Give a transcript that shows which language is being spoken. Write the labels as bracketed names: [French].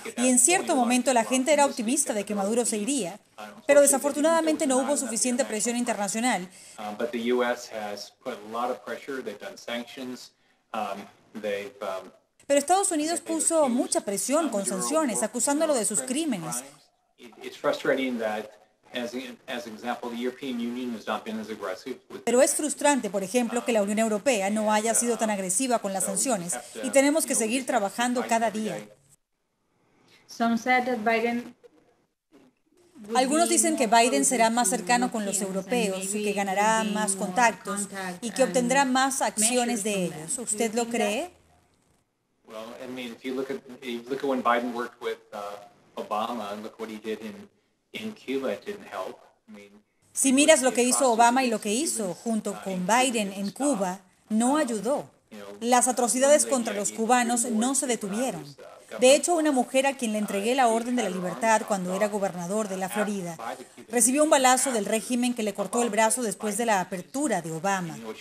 [Spanish] Y en cierto momento la gente era optimista de que Maduro se iría. Pero desafortunadamente no hubo suficiente presión internacional. Pero Estados Unidos puso mucha presión con sanciones, acusándolo de sus crímenes. Es frustrante que, [English] as an example, the European Union has not been as aggressive. [Spanish] Pero es frustrante, por ejemplo, que la Unión Europea no haya sido tan agresiva con las sanciones y tenemos que seguir trabajando cada día. [English] Some said that Biden. [Spanish] Algunos dicen que Biden será más cercano con los europeos y que ganará más contactos y que obtendrá más acciones de ellos. ¿Usted lo cree? [English] Well, I mean, if you look at when Biden worked with Obama and look what he did in Cuba, it didn't help. [Spanish] Si miras lo que hizo Obama y lo que hizo junto con Biden en Cuba, no ayudó. Las atrocidades contra los cubanos no se detuvieron. De hecho, una mujer a quien le entregué la Orden de la Libertad cuando era gobernador de la Florida recibió un balazo del régimen que le cortó el brazo después de la apertura de Obama.